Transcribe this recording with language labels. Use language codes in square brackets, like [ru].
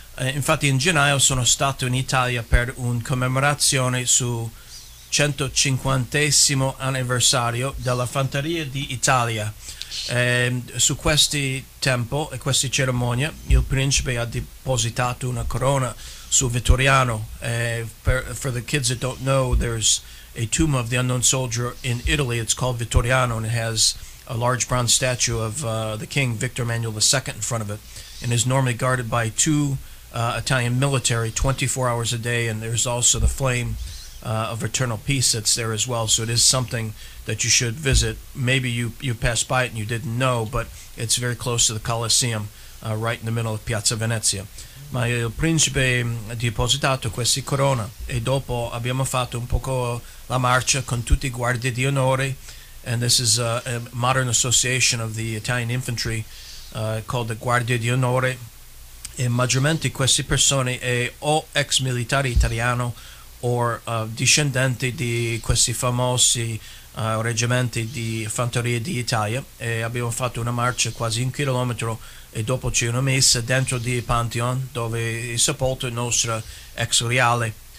[it] Infatti in gennaio sono stato in Italia per una commemorazione sul 150° anniversario della Fanteria d'Italia. Su questo tempo e questa cerimonia il principe ha depositato una corona su Vittoriano. [en] For the kids that don't know, there's a tomb of the unknown soldier in Italy. It's called Vittoriano, and it has a large bronze statue of the king, Victor Emmanuel II, in front of it, and is normally guarded by two Italian military 24 hours a day, and there's also the flame of eternal peace that's there as well. So it is something that you should visit. Maybe you passed by it and you didn't know, but it's very close to the Colosseum, right in the middle of Piazza Venezia. [it] Ma il principe ha depositato questa corona, e dopo abbiamo fatto un poco la marcia con tutti i guardie di onore. [en] And this is a modern association of the Italian infantry called the Guardia di Onore. [it] E maggiormente queste persone è o ex militare italiano o discendente di questi famosi reggimenti di fanteria d'Italia. E abbiamo fatto una marcia quasi un chilometro, e dopo c'è una messa dentro di Pantheon, dove è sepolto il nostro ex reale.